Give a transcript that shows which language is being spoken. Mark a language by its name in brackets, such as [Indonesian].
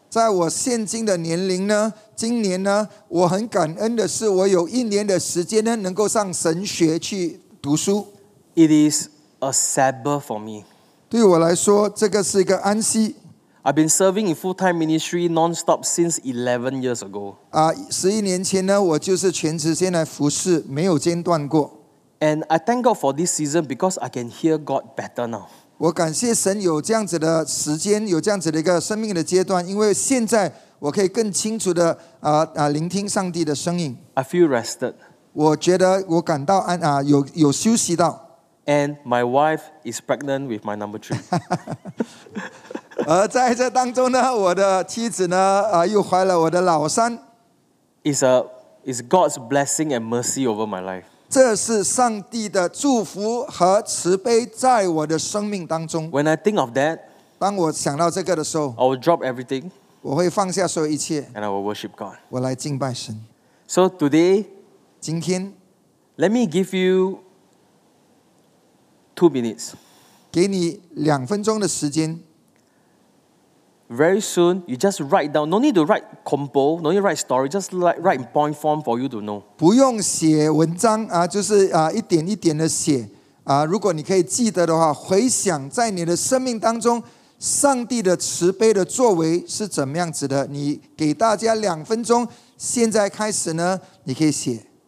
[Chinese] 在我现今的年龄呢，今年呢，我很感恩的是，我有一年的时间呢，能够上神学去读书。 [English] It is a Sabbath for me. [Chinese] 对我来说，这个是一个安息。 [English] I've been serving in full-time ministry non-stop since 11 years ago. [Chinese] 11年前呢，我就是全职先来服侍，没有间断过。 [English] And I thank God for this season because I can hear God better now. [Chinese] 我感谢神有这样子的时间，有这样子的一个生命的阶段，因为现在我可以更清楚的聆听上帝的声音。 [English] I feel rested. [Chinese] 我觉得我感到有休息到。 [English] And my wife is pregnant with my number three. [Chinese] 而在这当中呢，我的妻子呢又怀了我的老三。 [English] It's God's blessing and mercy over my life. [Chinese] 这是上帝的祝福和慈悲在我的生命当中。 [English] When I think of that, [Chinese] 当我想到这个的时候 [English] I will drop everything, [Chinese] 我会放下所有一切 [English] and I will worship God. [Chinese] 我来敬拜神。 [English] So today, [Chinese] 今天 [English] let me give you 2 minutes. [Chinese] 给你两分钟的时间。 [English] Very soon, you just write down. No need to write compo, no need to write story. Just write in point form for you to know. [Chinese] 不用写文章就是一点一点的写如果你可以记得的话，回想在你的生命当中，上帝的慈悲的作为是怎么样子的？你给大家两分钟，现在开始呢，你可以写。